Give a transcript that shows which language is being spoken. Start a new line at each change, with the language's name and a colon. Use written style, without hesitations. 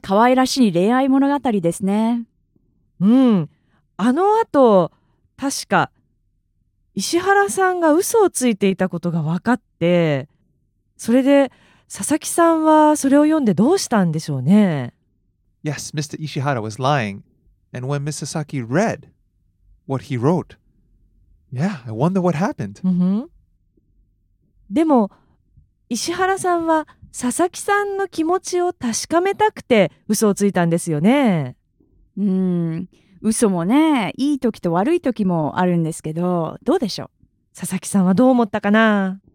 Japanese: 可愛らしい恋愛物語ですね。うん。あの後、確か石原さんが嘘をついていたことが分かって、それで佐々木さんはそれを読んでどうしたんでしょうね。
English: Yes, Mr. Ishihara was lying. And when Miss Sasaki read what he wrote, yeah, I wonder what happened.
Japanese: でも、石原さんは佐々木さんの気持ちを確かめたくて嘘をついたんですよね。嘘もね、いい時と悪い時もあるんですけど、どうでしょう。佐々木さんはどう思ったかな。